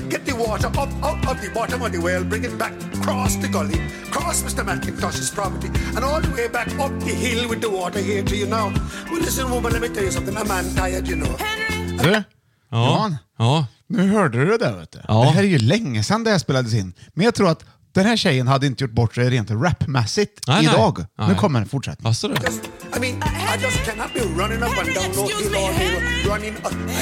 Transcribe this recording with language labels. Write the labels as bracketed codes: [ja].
[en] Get the water up out of the bottom of the well. Bring it back across the gully. Cross Mr. McIntosh's property. And all the way back up the hill with the water here to you now. Well, listen, woman, let me tell you something. A man tired, you know. [sv] Henry! Ja. Nu hörde du det, vet du. Ja. Det här är ju länge sedan det spelades in. Men jag tror att den här tjejen hade inte gjort bort sig rent rapmässigt idag. Nej. Nu kommer en fortsättning. Vad sa du? [en] I mean, I just cannot be running up and down all the way running up.